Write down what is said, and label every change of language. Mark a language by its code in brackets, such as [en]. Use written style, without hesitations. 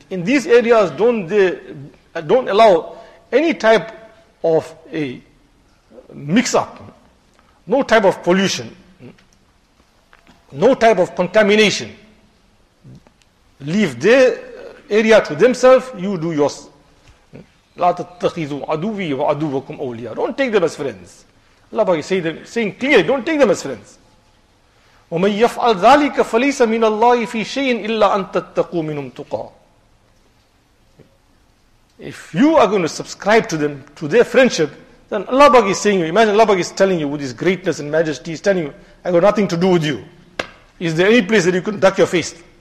[en] In these areas, don't allow any type of a mix-up, no type of pollution, no type of contamination. Leave their area to themselves, you do yours. [ar] لا تتخذوا عدوي وعدوكم أولياء. [en] Don't take them as friends. Allah Pak is saying clearly, don't take them as friends. [ar] وَمَنْ يَفْعَلْ ذَلِكَ فَلَيْسَ مِنَ اللَّهِ فِي شَيْءٍ إِلَّا أَن تَتَّقُوا مِنْهُمْ تُقَاهُ. [en] If you are going to subscribe to them, to their friendship, then Allah Pak is saying, imagine Allah Pak is telling you with His greatness and majesty, He's telling you, I got nothing to do with you. Is there any place that you can duck your face?